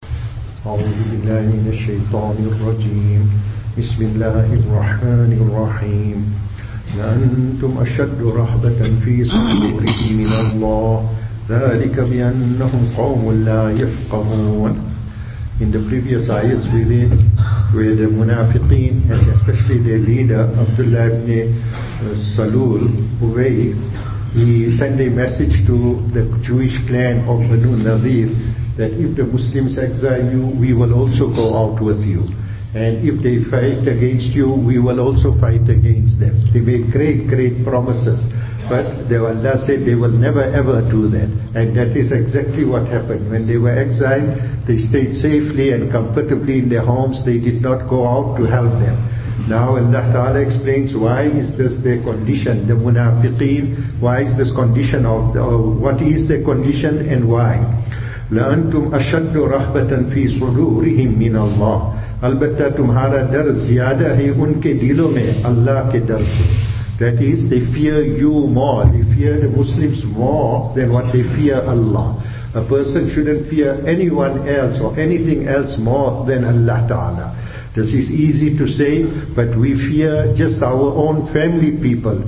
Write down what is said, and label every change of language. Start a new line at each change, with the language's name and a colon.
Arabic: أعوذ بالله من الشيطان الرجيم. بسم الله الرحمن الرحيم. لأنتم أشد رهبة في صدورهم من الله ذلك بأنهم قوم لا يفقهون.
English: In the previous ayats we read where the munafiqeen and especially their leader Abdullah ibn Salul Uwayy, he sent a message to the Jewish clan of Banu Nadir that if the Muslims exile you, we will also go out with you. And if they fight against you, we will also fight against them. They made great, great promises. But Allah said they will never ever do that. And that is exactly what happened. When they were exiled, they stayed safely and comfortably in their homes. They did not go out to help them. Now Allah Ta'ala explains, why is this their condition, the munafiqeen? Why is this condition of, what is their condition and why?
Arabic: لَأَنْتُمْ أَشَدُّ رَحْبَةً فِي صُدُورِهِمْ مِنَ اللَّهِ.
Urdu: البتہ تمہارا در زیادہ ہے ان کے دلوں میں اللہ کے در سے.
English: That is, they fear you more. They fear the Muslims more than what they fear Allah. A person shouldn't fear anyone else or anything else more than Allah Ta'ala. This is easy to say, but we fear just our own family people.